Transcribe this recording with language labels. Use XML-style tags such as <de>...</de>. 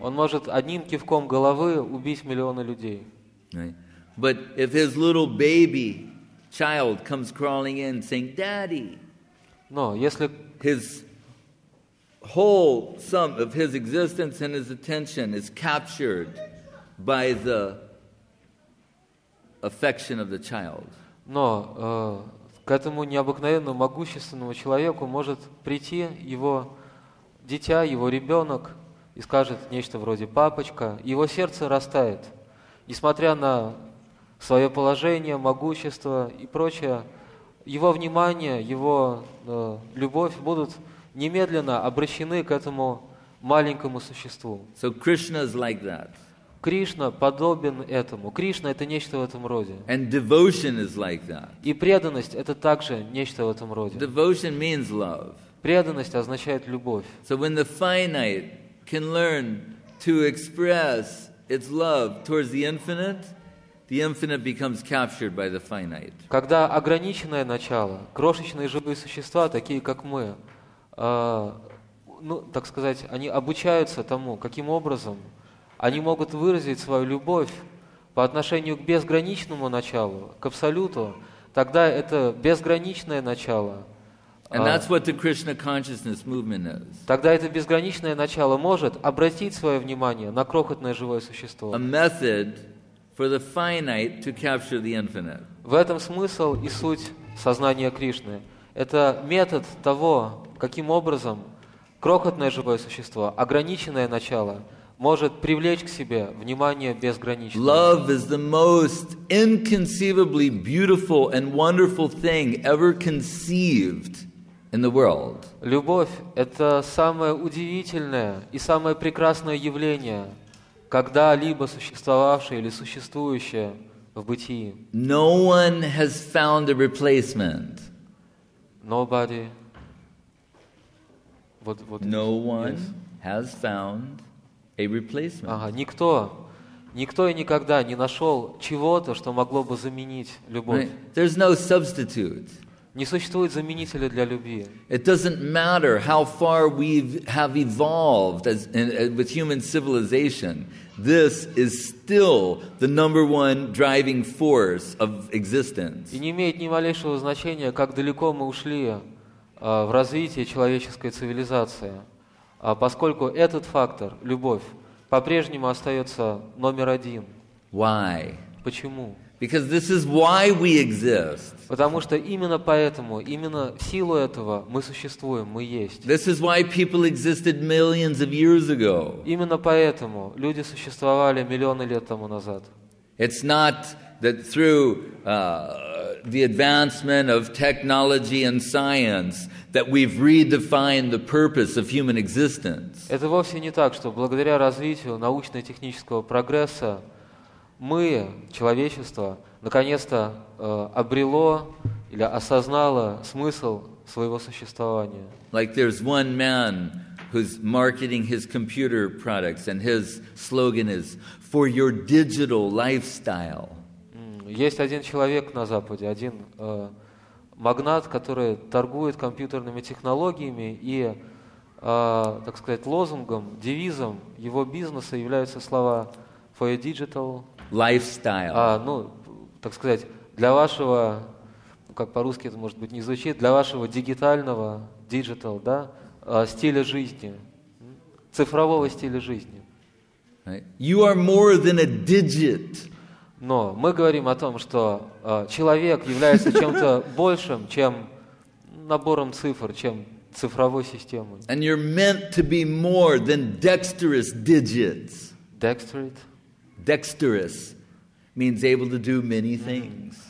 <ru>Он может одним кивком головы убить миллионы людей.</ru> <en>Right. But if his little baby child comes crawling in saying, "Daddy,"</en> <ru>no, если</ru> <en>his whole sum of his existence and his attention is captured by the affection of the child.</en> <ru>Но к этому необыкновенному могущественному человеку может прийти его дитя, его ребенок, и скажет нечто вроде «папочка». Его сердце растает. Несмотря на свое положение, могущество и прочее, его внимание, его любовь будут немедленно обращены к этому маленькому существу.</ru> <en>So Krishna's like that.</en> <ru>Кришна подобен этому. Кришна – это нечто в этом роде.</ru> <en>And devotion is like that.</en> <ru>И преданность – это также нечто в этом роде.</ru> <en>Devotion means love.</en> <ru>Преданность означает любовь.</ru> <en>So when the finite can learn to express its love towards the infinite becomes captured by the finite.</en> <ru>Когда ограниченное начало, крошечные живые существа, такие как мы, так сказать, они обучаются тому, каким образом они могут выразить свою любовь по отношению к безграничному началу, к абсолюту, тогда это безграничное начало.</ru> <en>And that's what the Krishna consciousness movement is.</en> <ru>Тогда это безграничное начало может обратить свое внимание на крохотное живое существо.</ru> <en>A method for the finite to capture the infinite.</en> <ru>В этом смысл и суть сознания Кришны. Это метод того, каким образом крохотное живое существо, ограниченное начало, может привлечь к себе внимание безграничного.</ru> <en>Love is the most inconceivably beautiful and wonderful thing ever conceived in the world.</en> <ru>Любовь – это самое удивительное и самое прекрасное явление, когда-либо существовавшее или существующее в бытии.</ru> <en>No one has found a replacement. Nobody. No one has found a replacement.</en> <ru>Ага, никто и никогда не нашел чего-то, что могло бы заменить любовь.</ru> <en>There's no substitute.</en> <ru>Не существует заменителя для любви.</ru> <en>It doesn't matter how far we have evolved with human civilization. This is still the number one driving force of existence.</en> <ru>И не имеет ни малейшего значения, как далеко мы ушли в развитии человеческой цивилизации. А поскольку этот фактор, любовь, по-прежнему остается номер один.</ru> <en>Why?</en> <ru>Почему?</ru> <en>Because this is why we exist.</en> <ru>Потому что именно поэтому, именно в силу этого мы существуем, мы есть.</ru> <en>This is why people existed millions of years ago.</en> <ru>Именно поэтому люди существовали миллионы лет тому назад.</ru> <en>It's not that through the advancement of technology and science that we've redefined the purpose of human existence.</en> <ru>Это вовсе не так, что благодаря развитию научно-технического прогресса мы, человечество, наконец-то обрело или осознало смысл своего существования.</ru> <en>Like there's one man who's marketing his computer products and his slogan is for your digital lifestyle.</en> <ru>Есть один человек на Западе, один магнат, который торгует компьютерными технологиями, и, так сказать, лозунгом, девизом его бизнеса являются слова</ru> <en>«for your digital lifestyle».</en> <ru>Ну, так сказать, для вашего, как по-русски это может быть не звучит, для вашего дигитального, digital, да, стиля жизни, цифрового стиля жизни.</ru> <en>You are more than a digit.</en> <ru>Но мы говорим о том, что человек является чем-то большим, чем набором цифр, чем цифровой системой.</ru> <en>And you're meant to be more than dexterous digits. Dexterous? Dexterous means able to do many things.</en>